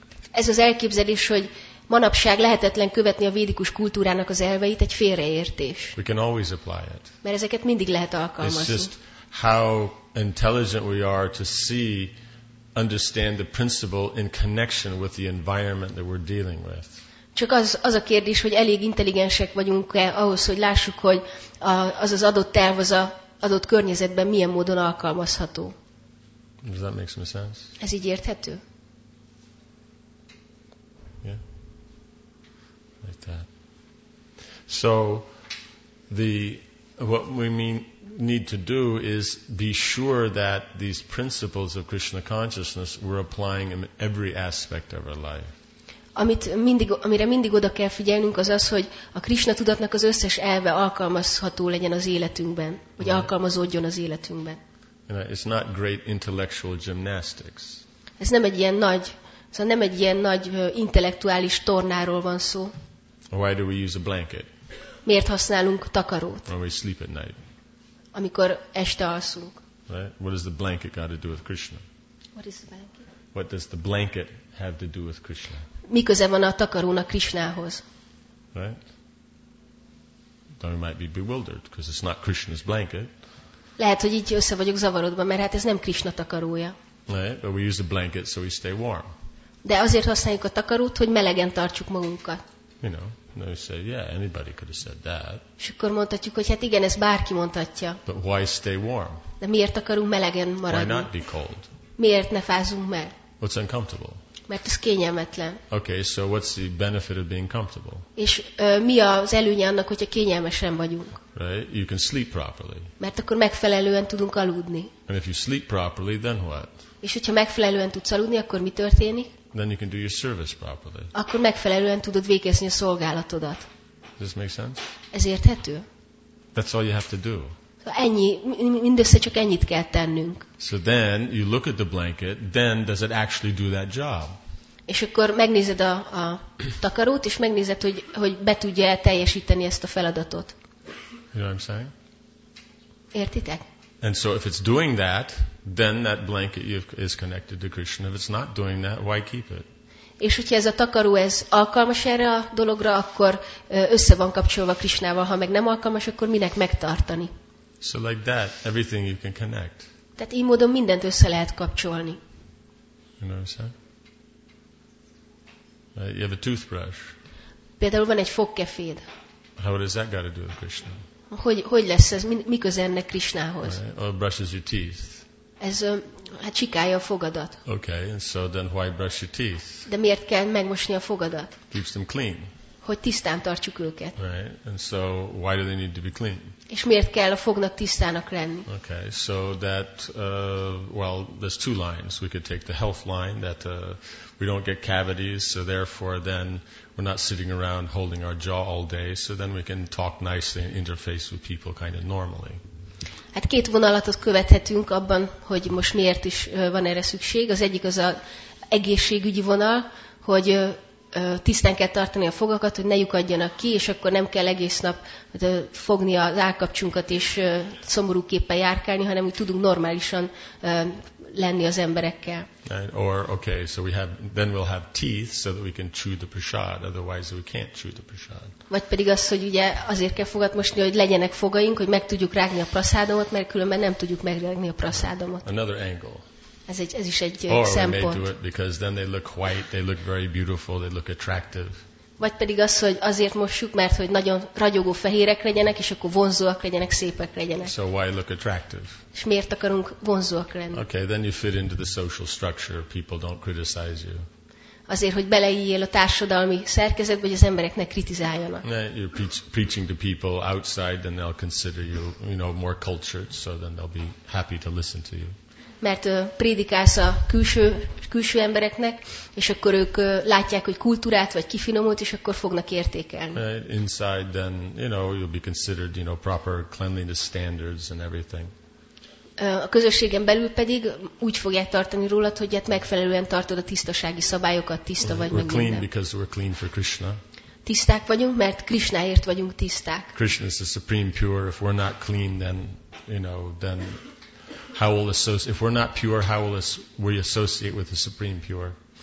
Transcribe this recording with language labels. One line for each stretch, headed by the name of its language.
Hungarian: Ez az elképzelés, hogy manapság lehetetlen követni a védikus kultúrának az elveit, egy félreértés.
English: We can always apply it.
Hungarian: Mert ezeket mindig lehet alkalmazni.
English: It's just how intelligent we are to see, understand the principle in connection with the environment that we're dealing with.
Hungarian: Csak az a kérdés, hogy elég intelligensek vagyunk-e ahhoz, hogy lássuk, hogy az adott terv az adott környezetben milyen módon alkalmazható.
English: Does that make some sense?
Hungarian: Ez így érthető?
English: Like that. So what we need to do is be sure that these principles of Krishna consciousness we're applying in every aspect of our life.
Hungarian: Amire mindig oda kell figyelnünk az, hogy a Krishna tudatnak az összes elve alkalmazható legyen az életünkben, vagy right. Alkalmazódjon az életünkben.
English: You know, it's not great intellectual gymnastics.
Hungarian: Ez nem egy ilyen nagy intellektuális tornáról van szó.
English: Why do we use a blanket?
Hungarian: Miért használunk takarót?
English: When we sleep at night.
Hungarian: Amikor este alszunk.
English: Right? What does the blanket got to do with Krishna? What is the blanket? What does the blanket have to do with Krishna?
Hungarian: Mi köze van a takarónak Krishnához?
English: Right? Then we might be bewildered because it's not Krishna's blanket.
Hungarian: Lehet, hogy így össze vagyok zavarodva, mert hát ez nem Krishna takarója.
English: Right? But we use the blanket so we stay warm.
Hungarian: De azért használjuk a takarót, hogy melegen tartsuk magunkat.
English: You know, and they say, yeah, anybody could have said that.
Hungarian: És akkor mondhatjuk, hogy hát igen, ez bárki mondhatja.
English: But why stay warm?
Hungarian: De miért akarunk melegen maradni?
English: Why not be cold?
Hungarian: Miért ne fázunk meg?
English: What's uncomfortable?
Hungarian: Mert ez kényelmetlen.
English: Okay, so what's the benefit of being comfortable?
Hungarian: És mi az előnye annak, hogyha kényelmesen vagyunk?
English: Right, you can sleep properly.
Hungarian: Mert akkor megfelelően tudunk aludni.
English: And if you sleep properly, then what?
Hungarian: És hogyha megfelelően tudsz aludni, akkor mi történik?
English: Then you can do your service properly.
Hungarian: Akkor megfelelően tudod végezni a szolgálatodat.
English: Does this make sense?
Hungarian: Ez érthető?
English: That's all you have to do.
Hungarian: Ennyi, mindössze csak ennyit kell tennünk.
English: So then you look at the blanket, then does it actually do that job?
Hungarian: És akkor megnézed a takarót, és megnézed, hogy be tudja teljesíteni ezt a feladatot.
English: You know what I'm saying?
Hungarian: Értitek?
English: And so if it's doing that, then that blanket is connected to Krishna. If it's not doing that, why keep it?
Hungarian: És hogyha ez a takaró ez alkalmas erre a dologra, akkor össze van kapcsolva Krishnával, ha meg nem alkalmas, akkor minek megtartani?
English: So like that, everything you can connect.
Hungarian: Tehát így módon mindent össze lehet kapcsolni.
English: You know what I'm saying? You have a toothbrush.
Hungarian: Például van egy fogkeféd.
English: How does that got to do with Krishna?
Hungarian: Hogy lesz ez? Mi közel ennek Krishnához?
English: Right. Or brushes your teeth.
Hungarian: Ez hát csikálja a fogadat.
English: Okay, and so then why brush your teeth?
Hungarian: De miért kell megmosni a fogadat?
English: Keeps them clean.
Hungarian: Hogy tisztán tartjuk őket.
English: Right, and so why do they need to be clean?
Hungarian: És miért kell a fognak tisztának lenni?
English: Okay, so that well, there's two lines. We could take the health line that we don't get cavities, so therefore then we're not sitting around holding our jaw all day, so then we can talk nicely and interface with people kind of normally.
Hungarian: Hát két vonalat követhetünk abban, hogy most miért is van erre szükség. Az egyik az a egészségügyi vonal, hogy tisztán kell tartani a fogakat, hogy ne lyukadjanak ki, és akkor nem kell egész nap fogni az állkapcsunkat és szomorú képpen járkálni, hanem úgy tudunk normálisan lenni az emberekkel.
English: Or okay, so we have, then we'll have teeth so that we can chew the prasad, otherwise we can't chew the prasad.
Hungarian: Vagy pedig az, hogy ugye azért kell fogat mosni, hogy legyenek fogaink, hogy meg tudjuk rágni a prasádomot, mert különben nem tudjuk megrágni a prasádomot.
English: Another angle.
Hungarian: Ez is egy
English: or
Hungarian: szempont.
English: Or we may do it because then they look white, they look very beautiful, they look attractive.
Hungarian: Vagy pedig az, hogy azért mossuk, mert hogy nagyon ragyogó fehérek legyenek, és akkor vonzóak legyenek, szépek legyenek.
English: So why look attractive?
Hungarian: És miért akarunk vonzóak lenni?
English: Okay, then you fit into the social structure. People don't criticize you.
Hungarian: Azért, hogy beleíjél a társadalmi szerkezetbe, hogy az emberek ne kritizáljanak.
English: You're preaching to people outside, then they'll consider you, you know, more cultured, so then they'll be happy to listen to you.
Hungarian: Mert prédikálsz a külső embereknek, és akkor ők látják, hogy kultúrát vagy kifinomult, és akkor fognak értékelni.
English: Inside, then, you know, you'll be considered, you know, proper cleanliness standards and everything.
Hungarian: A közösségen belül pedig úgy fogják tartani rólad, hogy hát megfelelően tartod a tisztasági szabályokat, tiszta vagy meg minden.
English: We're clean because we're clean for Krishna.
Hungarian: Tiszták vagyunk, mert Krishnáért vagyunk tiszták.
English: Krishna is the supreme pure. If we're not clean, then, you know, then how will if we're not pure, how will we associate with the supreme pure?